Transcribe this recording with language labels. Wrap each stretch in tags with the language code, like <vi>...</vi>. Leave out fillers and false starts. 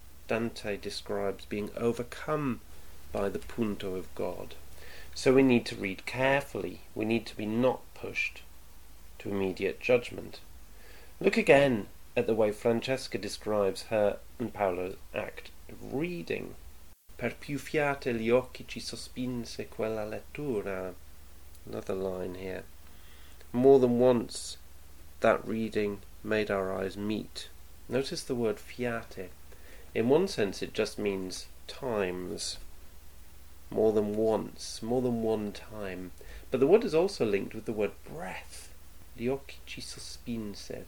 <en>Dante describes being overcome by the punto of God. So we need to read carefully. We need to be not pushed to immediate judgment. Look again at the way Francesca describes her and Paolo's act of reading.</en> <it>Per più fiate gli occhi ci sospinse quella lettura.</it> <en>Another line here. More than once that reading made our eyes meet. Notice the word fiate. In one sense, it just means times, more than once, more than one time. But the word is also linked with the word breath.</en> <it>Gli occhi ci sospinse.</it>